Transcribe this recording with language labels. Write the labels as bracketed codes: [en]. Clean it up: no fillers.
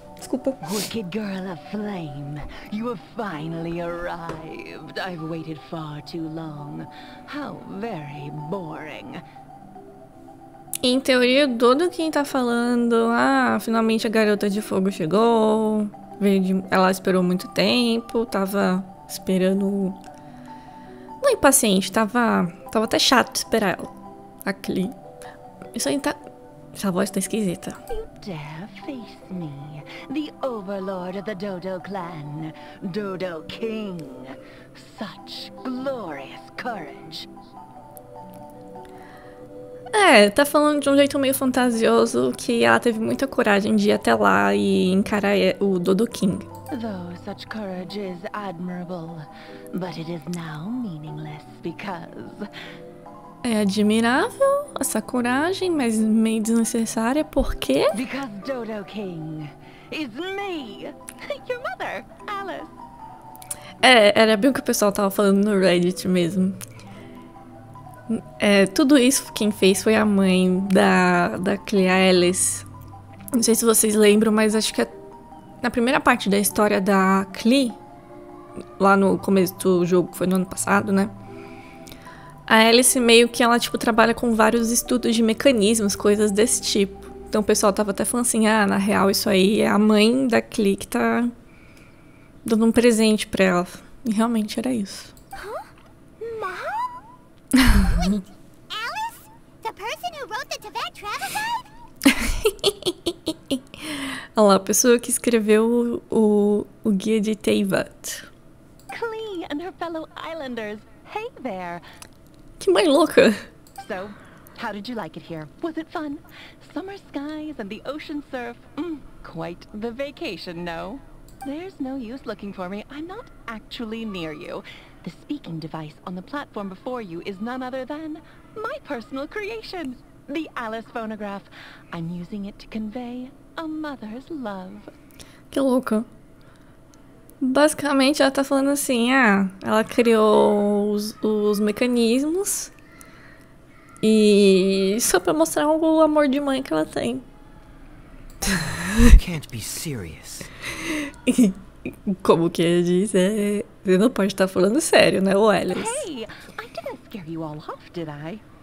[en] Wicked girl of flame, you have finally arrived. I've waited far too long. How very boring. [pt] Em teoria, todo quem tá falando, finalmente a garota de fogo chegou, ela esperou muito tempo, tava esperando, não impaciente, tava até chato esperar ela, a Klee. Isso aí tá, essa voz tá esquisita. [en] You dare face me, the overlord of the Dodo clan, Dodo King, such glorious courage. [pt] Tá falando de um jeito meio fantasioso que ela teve muita coragem de ir até lá e encarar o Dodo King. [en] Though such courage is admirable, but it is now meaningless because... [pt] É admirável essa coragem, mas meio desnecessária, por quê? [en] Because Dodo King is me, your mother, Alice. [pt] Era bem o que o pessoal tava falando no Reddit mesmo. Tudo isso quem fez foi a mãe da Klee, a Alice. Não sei se vocês lembram, mas acho que na primeira parte da história da Klee, lá no começo do jogo, que foi no ano passado, né? A Alice meio que ela, tipo, trabalha com vários estudos de mecanismos, coisas desse tipo. Então o pessoal tava até falando assim, na real isso aí é a mãe da Klee que tá dando um presente pra ela. E realmente era isso. [en] Wait, Alice? The person who wrote the Tibet travel guide? [pt] Olha lá, a pessoa que escreveu o guia de Teyvat. [en] Klee and her fellow islanders. Hey there. [pt] Que mãe louca. [en] So, how did you like it here? Was it fun? Summer skies and the ocean surf. Quite the vacation, no? There's no use looking for me. I'm not actually near you. The speaking device on the platform before you is none other than my personal creation, the Alice phonograph. I'm using it to convey a mother's love. [pt] Que louco. Basicamente, ela tá falando assim, ela criou os mecanismos e só pra mostrar o amor de mãe que ela tem. [en] You can't be serious. [pt] Como que ele diz? Você não pode estar falando sério, né, Wallace? [en] Hey, I didn't scare you all off, did I?